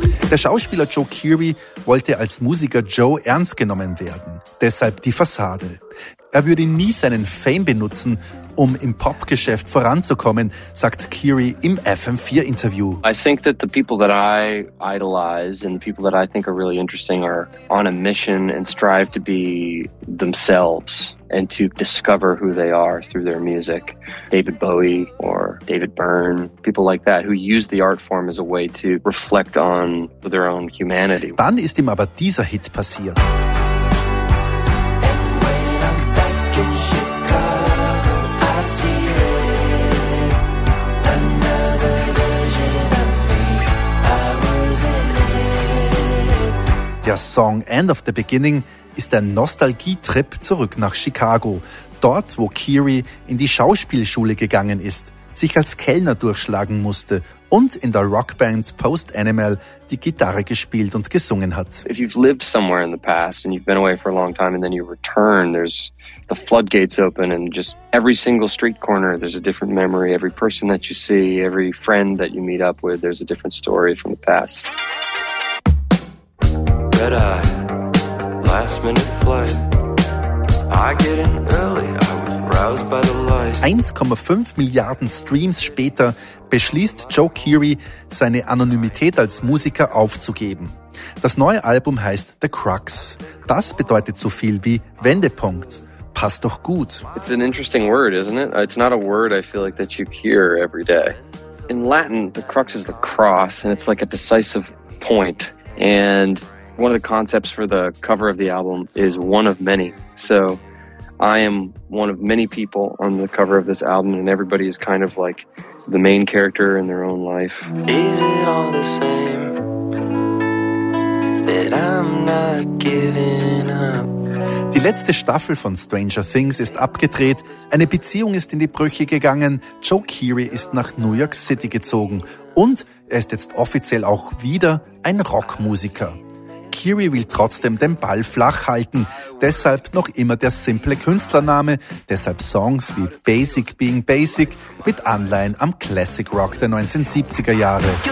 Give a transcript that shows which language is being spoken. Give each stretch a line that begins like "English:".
German: Der Schauspieler Joe Keery wollte als Musiker Joe ernst genommen werden, deshalb die Fassade. Er würde nie seinen Fame benutzen, um im Popgeschäft voranzukommen, sagt Keery im FM4-Interview.
English: I think that the people that I idolize and the people that I think are really interesting are on a mission and strive to be themselves and to discover who they are through their music. David Bowie or David Byrne, people like that who use the art form as a way to reflect on their own humanity.
German: Dann ist ihm aber dieser Hit passiert. Der Song End of the Beginning ist ein Nostalgietrip zurück nach Chicago, dort wo Keery in die Schauspielschule gegangen ist, sich als Kellner durchschlagen musste und in der Rockband Post Animal die Gitarre gespielt und gesungen hat.
English: If you've lived somewhere in the past and you've been away for a long time and then you return, there's the floodgates open and just every single street corner there's a different memory, every person that you see, every friend that you meet up with, there's a different story from the past. Red eye, last minute flight. I get in early, I was roused by the light.
German: 1,5 Milliarden Streams später beschließt Joe Keery, seine Anonymität als Musiker aufzugeben. Das neue Album heißt The Crux. Das bedeutet so viel wie Wendepunkt. Passt doch gut.
English: It's an interesting word, isn't it? It's not a word I feel like that you hear every day. In Latin, the crux is the cross and it's like a decisive point. And one of the concepts for the cover of the album is one of many. So I am one of many people on the cover of this album and everybody is kind of like the main character in their own life. Is it all the same that I'm not giving up?
German: Die letzte Staffel von Stranger Things ist abgedreht, eine Beziehung ist in die Brüche gegangen, Joe Keery ist nach New York City gezogen und er ist jetzt offiziell auch wieder ein Rockmusiker. Keery will trotzdem den Ball flach halten, deshalb noch immer der simple Künstlername, deshalb Songs wie Basic Being Basic mit Anleihen am Classic Rock der 1970er Jahre.